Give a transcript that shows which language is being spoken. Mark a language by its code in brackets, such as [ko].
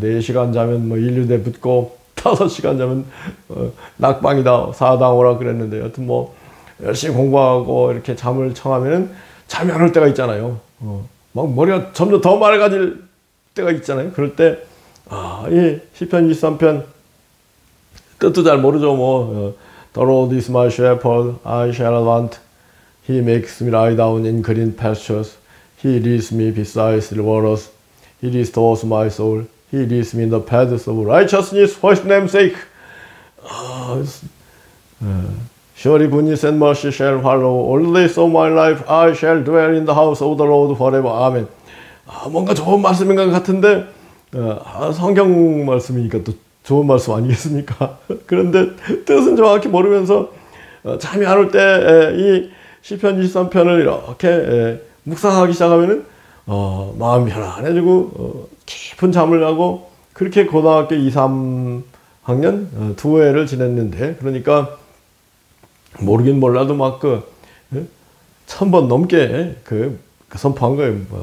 [ko] 4시간 자면 뭐 인류대 붙고, 5시간 자면 낙방이다, 사당 오락 그랬는데, 여튼 뭐 열심히 공부하고 이렇게 잠을 청하면 잠이 안올 때가 있잖아요. 막 머리가 점점 더 맑아질 때가 있잖아요. 그럴 때, 이 시편 23편 뜻도 잘 모르죠. [en] 뭐 The Lord is my shepherd, I shall not want. He makes me lie down in green pastures. He leads me beside the waters. He restores my soul. He leads me in the paths of righteousness for his name's sake. Surely goodness and mercy shall follow all the days of my life. I shall dwell in the house of the Lord forever. Amen. [ko] 뭔가 좋은 말씀인 것 같은데, 성경 말씀이니까 또 좋은 말씀 아니겠습니까? 그런데 뜻은 정확히 모르면서 잠이 안올 때, 이 시편 23편을 이렇게 묵상하기 시작하면은 마음이 편안해지고, 깊은 잠을 자고, 그렇게 고등학교 2, 3학년 두 해를 지냈는데, 그러니까 모르긴 몰라도 막그 1000번 넘게 그 선포한 거예요.